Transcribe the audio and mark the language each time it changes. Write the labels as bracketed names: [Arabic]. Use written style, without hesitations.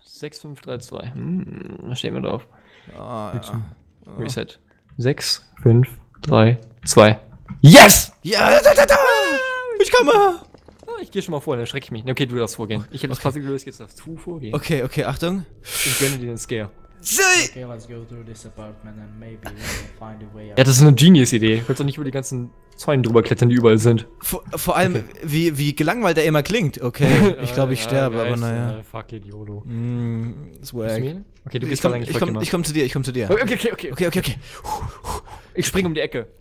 [German] 6532. Hm, da stehen wir drauf. Ah, ja. Reset. 6532. Yes! Ja, da. Ich komme! Ich gehe schon mal vor, dann schrecke ich mich. Okay, du darfst vorgehen. Ich hätte das quasi gelöst, jetzt darfst du vorgehen. Okay, Achtung. Ich gönne dir den Scare. Okay, [English] let's go through this apartment and maybe we'll find a way [German] out. Ja, das ist eine Genius-Idee. Du kannst doch nicht über die ganzen Zäune drüber klettern, die überall sind. Vor allem, okay. wie gelangweilt er immer klingt. Okay, ich glaube, ich sterbe, aber naja. [English] Fuck it, YOLO. Swag. [German] Okay, du bist da eigentlich fucking noch. Ich komm zu dir. Okay. Ich spring um die Ecke.